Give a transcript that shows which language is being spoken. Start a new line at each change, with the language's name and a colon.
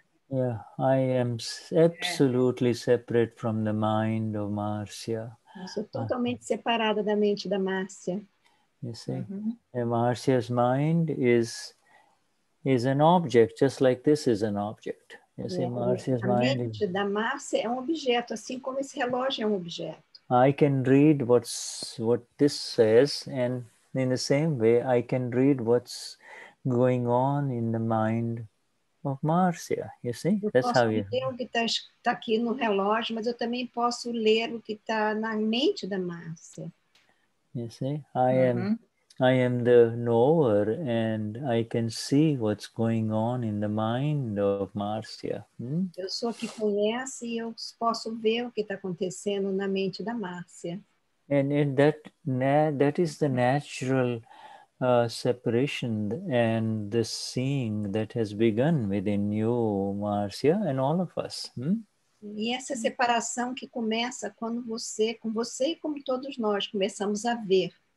English: I am absolutely separate from the mind of Marcia.
Portuguese: Eu sou totalmente separada da mente da Márcia.
English: You see? Uh-huh. And Márcia's mind is an object, just like this is an object. You see, Márcia's mind
Portuguese: is... A mente da Márcia é um objeto, assim como esse relógio é um objeto.
English: I can read what this says, and in the same way, I can read what's going on in the mind of Márcia. You see?
Portuguese: Eu
English: That's how you...
Portuguese: Eu posso ler o que está aqui no relógio, mas eu também posso ler o que está na mente da Márcia.
English: You see? I am the knower, and I can see what's going on in the mind of Márcia. Hmm?
Portuguese: Eu sou a que conhece e eu posso ver o que está acontecendo na mente da Márcia.
English: And that is the natural separation and the seeing that has begun within you, Márcia, and all of us.
Portuguese: E essa separação que começa quando você, com você e como todos nós, começamos a ver.